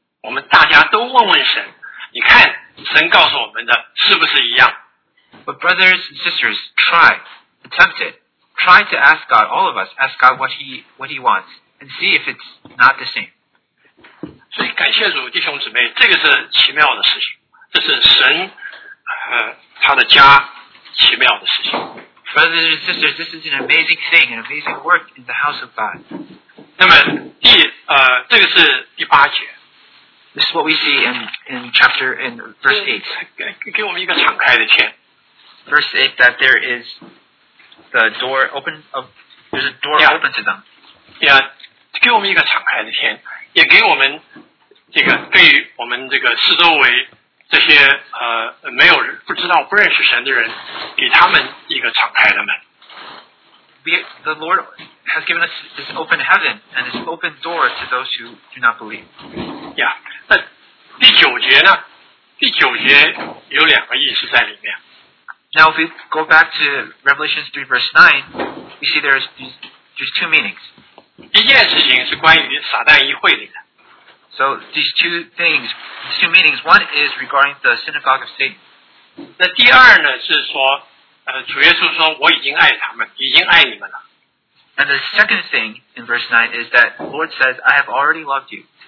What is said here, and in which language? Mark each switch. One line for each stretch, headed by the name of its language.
Chinese: 我们大家都问问神，你看神告诉我们的是不是一样
English: ？But brothers and sisters, try, attempt it. Try to ask God, all of us, ask God what He wants, and see if it's not the same.
Chinese: 所以感谢主，弟兄姊妹，这个是奇妙的事情，这是神他的家奇妙的事情。
English: Brothers and sisters, this is an amazing thing, an amazing work in the house of God.
Chinese: 那么这个是第八节。
English: This is what we see in chapter in verse 8.
Chinese: 给我们一个敞开的天。
English: Verse 8, that there is the door open, there's a door yeah, open to them.
Chinese: Yeah, 给我们一个敞开的天，也给我们这个对我们这个四周围这些没有不知道不认识神的人，给他们一个敞开的门。
English: The Lord has given us this open heaven and this open door to those who do not believe.
Chinese: Yeah. 那第九节呢？第九节有两个意思在里面。
English: Now, if we go back to Revelation 3 verse 9, we see there's two meanings.
Chinese: 一件事情是关于撒旦议会里的。
English: So these two things, these two meanings, one is regarding the synagogue of Satan.
Chinese: 那第二呢，是说主耶稣说我已经爱他们，已经爱你们了。
English: And the second thing in verse 9 is that the Lord says, I have already loved you.